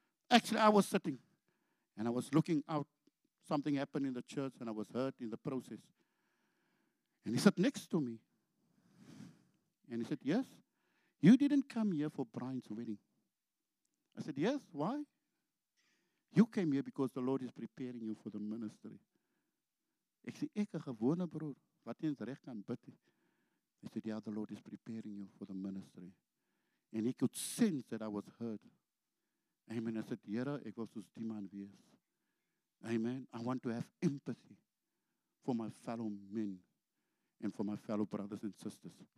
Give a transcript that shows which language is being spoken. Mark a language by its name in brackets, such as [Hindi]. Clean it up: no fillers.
[English] Actually, I was sitting, and I was looking out. Something happened in the church, and I was hurt in the process. And he sat next to me. And he said, "Yes, you didn't come here for Brian's wedding." I said, "Yes, why?" "You came here because the Lord is preparing you for the ministry." [Afrikaans] Ek sê, ek 'n gewone broer, wat eens reg kan bid. [English] He said, "Yeah, the Lord is preparing you for the ministry." And he could sense that I was hurt. Amen. I said, [Afrikaans] "Here, ek wil soos die man wees." [English] Amen. I want to have empathy for my fellow men and for my fellow brothers and sisters.